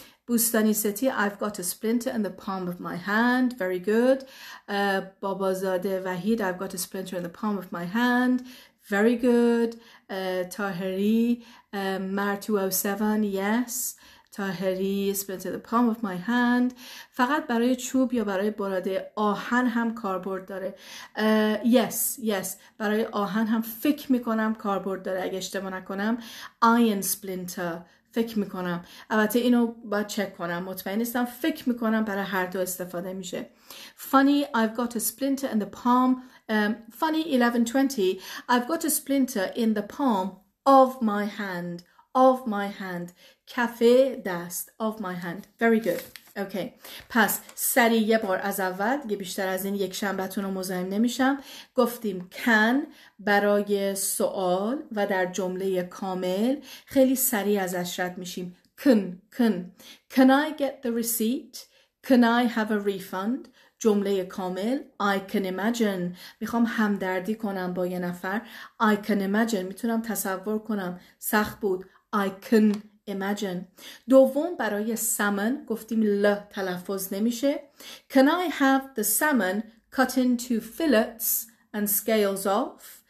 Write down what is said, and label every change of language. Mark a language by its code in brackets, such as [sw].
[en] بوستانی ستی, I've got a splinter in the palm of my hand. Very good. بابازاده وحید, I've got a splinter in the palm of my hand. Very good. تاهری, مر 207, yes. تاهری, splinter in the palm of my hand. [fa] فقط برای چوب یا برای براده آهن هم کاربرد داره. [en] Yes, yes. [fa] برای آهن هم فکر میکنم کاربرد داره اگه اشتباه نکنم. [en] Iron splinter. [fa] فکر میکنم. البته اینو باید چک کنم. مطمئن نیستم. فکر میکنم برای هر دو استفاده میشه. [en] Funny, I've got a splinter in the palm. Funny, 1120. I've got a splinter in the palm of my hand. Of my hand. [fa] کف دست. [en] Of my hand. Very good. Okay. [fa] پس سری یه بار از اول. دیگه بیشتر از این یک شنبه‌تون رو مزاحم نمیشم. گفتیم can برای سوال و در جمله کامل خیلی سری ازش رد میشیم. [en] Can. Can I get the receipt? Can I have a refund? [fa] جمله کامل. [en] I can imagine. [fa] میخوام همدردی کنم با یه نفر. [en] I can imagine. [fa] میتونم تصور کنم. سخت بود. [en] I can imagine. [fa] دوم برای salmon گفتیم ل تلفظ نمیشه. [en] Can I have the salmon cut into fillets and scales off?